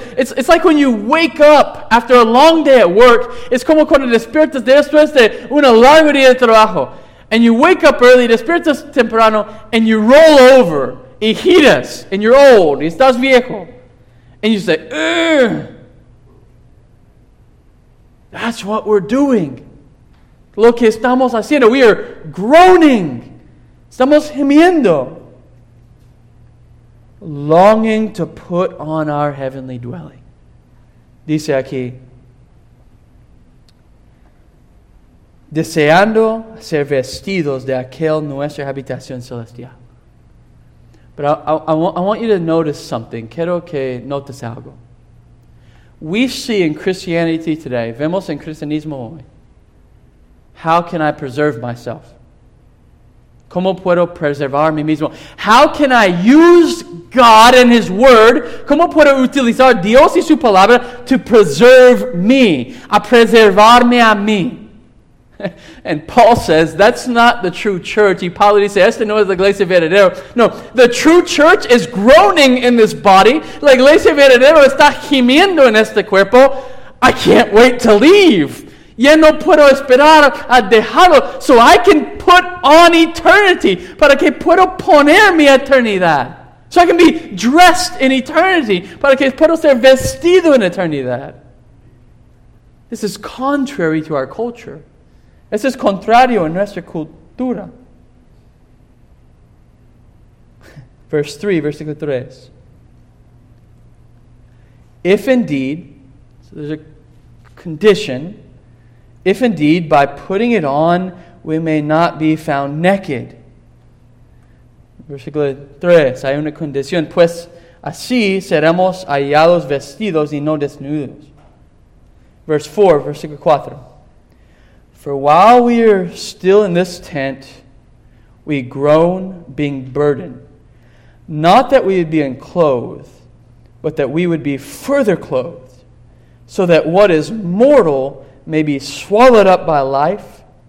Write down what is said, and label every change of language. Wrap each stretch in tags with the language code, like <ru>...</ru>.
<en>It's like when you wake up after a long day at work.</en> <es>Es como cuando despiertas después de una larga día de trabajo.</es> <en>And you wake up early,</en> <es>despiertas temprano,</es> <en>and you roll over.</en> <es>Y giras.</es> <en>And you're old.</en> <es>Y estás viejo.</es> <en>And you say, ugh. That's what we're doing.</en> <es>Lo que estamos haciendo.</es> <en>We are groaning.</en> <es>Estamos gemiendo.</es> <en>Longing to put on our heavenly dwelling.</en> <es>Dice aquí. deseando ser vestidos de aquel nuestra habitación celestial.</es> <en>But I want you to notice something.</en> <es>Quiero que notes algo.</es> <en>We see in Christianity today,</en> <es>vemos en cristianismo hoy,</es> <en>how can I preserve myself?</en> <es>¿Cómo puedo preservar mí mismo?</es> <en>How can I use God and His Word?</en> <es>¿Cómo puedo utilizar Dios y su palabra</es> <en>to preserve me?</en> <es>A preservarme a mí.</es> <en>And Paul says, that's not the true church.</en> <es>Y Pablo dice, esta no es la iglesia verdadera.</es> <en>No, the true church is groaning in this body.</en> <es>La iglesia verdadera está gimiendo en este cuerpo.</es> <en>I can't wait to leave.</en> <es>Ya no puedo esperar a dejarlo.</es> <en>So I can put on eternity.</en> <es>Para que puedo poner mi eternidad.</es> <en>So I can be dressed in eternity.</en> <es>Para que puedo ser vestido en eternidad.</es> <en>This is contrary to our culture.</en> <es>Eso es contrario en nuestra cultura.</es> <en>Verse 3,</en> <es>versículo 3.</es> <en>If indeed, so there's a condition, if indeed by putting it on we may not be found naked.</en> <es>Versículo 3, hay una condición, pues así seremos hallados vestidos y no desnudos.</es> <en>Verse 4,</en> <es>versículo 4.</es> <en>For while we are still in this tent, we groan, being burdened. Not that we would be enclosed, but that we would be further clothed, so that what is mortal may be swallowed up by life.</en>